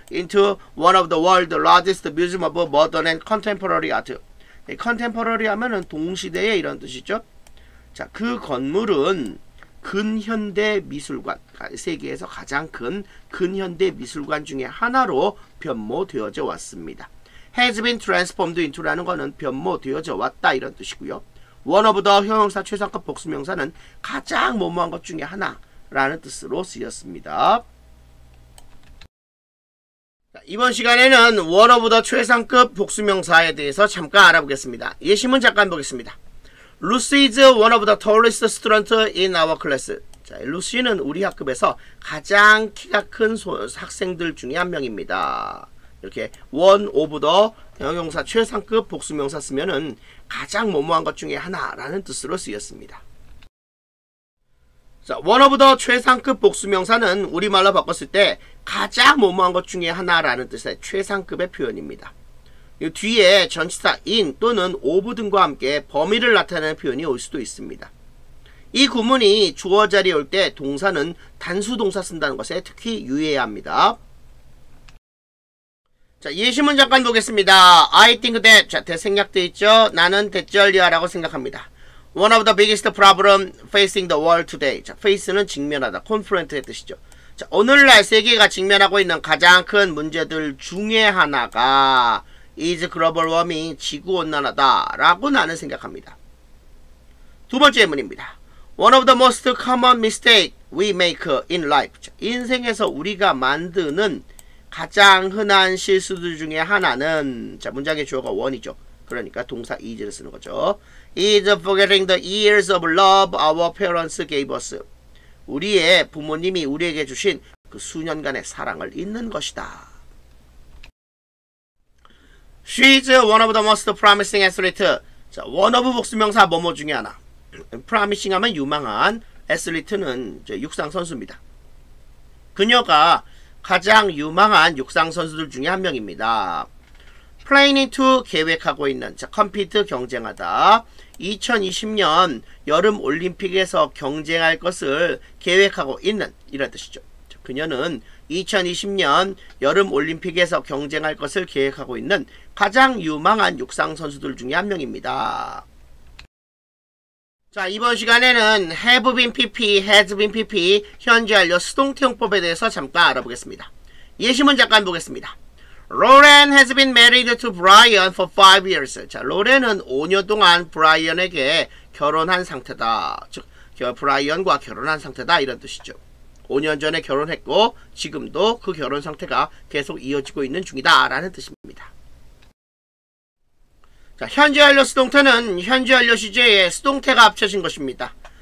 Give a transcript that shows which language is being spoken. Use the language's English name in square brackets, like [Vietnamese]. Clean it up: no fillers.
[English] into one of the world's largest museum of modern and contemporary art. [Korean] contemporary 하면은 동시대의 이런 뜻이죠. 자, 그 건물은 근현대 미술관, 세계에서 가장 큰 근현대 미술관 중에 하나로 변모되어져 왔습니다. [English] has been transformed into [Korean] 라는 거는 변모되어져 왔다 이런 뜻이고요. [English] one of the [Korean] 형용사 최상급 복수명사는 가장 뭐뭐한 것 중에 하나라는 뜻으로 쓰였습니다. 이번 시간에는 [English] one of the [Korean] 최상급 복수명사에 대해서 잠깐 알아보겠습니다. 예시문 잠깐 보겠습니다. [English] Lucy is one of the tallest students in our class. [Korean] 자, 루시는 우리 학급에서 가장 키가 큰 학생들 중에 한 명입니다. 이렇게 [English] one of the [Korean] 형용사 최상급 복수명사 쓰면은 가장 뭐뭐한 것 중에 하나라는 뜻으로 쓰였습니다. 자, [English] one of the [Korean] 최상급 복수명사는 우리말로 바꿨을 때 가장 뭐뭐한 것 중에 하나라는 뜻의 최상급의 표현입니다. 이 뒤에 전치사 in 또는 of 등과 함께 범위를 나타내는 표현이 올 수도 있습니다. 이 구문이 주어 자리에 올 때 동사는 단수 동사 쓴다는 것에 특히 유의해야 합니다. 자, 예시문 잠깐 보겠습니다. [English] I think that, [Korean] 자, 대 생략돼 있죠? 나는 대절리아라고 생각합니다. [English] One of the biggest problem facing the world today. [Korean] 자, face는 직면하다, confront의 뜻이죠. 자, 오늘날 세계가 직면하고 있는 가장 큰 문제들 중에 하나가 [English] is global warming, [Korean] 지구온난화다 라고 나는 생각합니다. 두 번째 예문입니다. [English] One of the most common mistakes we make in life. [Korean] 자, 인생에서 우리가 만드는 가장 흔한 실수들 중에 하나는, 자, 문장의 주어가 원이죠. 그러니까 동사 is를 쓰는 거죠. [English] is forgetting the years of love our parents gave us. [Korean] 우리의 부모님이 우리에게 주신 그 수년간의 사랑을 잊는 것이다. [English] She is one of the most promising athletes. [Korean] 자, one of 복수명사 뭐뭐 중에 하나. promising 하면 유망한, athlete는 육상 선수입니다. 그녀가 가장 유망한 육상 선수들 중에 한 명입니다. [English] planning to [Korean] 계획하고 있는, 자, compete 경쟁하다. 2020년 여름 올림픽에서 경쟁할 것을 계획하고 있는 이런 뜻이죠. 자, 그녀는 2020년 여름 올림픽에서 경쟁할 것을 계획하고 있는 가장 유망한 육상 선수들 중에 한 명입니다. 자, 이번 시간에는 [English] have been PP, has been PP, [Korean] 현재 완료 수동태 용법에 대해서 잠깐 알아보겠습니다. 예시문 잠깐 보겠습니다. [English] Lauren has been married to Brian for 5 years. [Korean] 자, 로렌은 5년 동안 브라이언에게 결혼한 상태다. 즉, 브라이언과 결혼한 상태다 이런 뜻이죠. 5년 전에 결혼했고 지금도 그 결혼 상태가 계속 이어지고 있는 중이다 라는 뜻입니다. 자, 현재 완료 수동태는 현재 완료 시제에 수동태가 합쳐진 것입니다.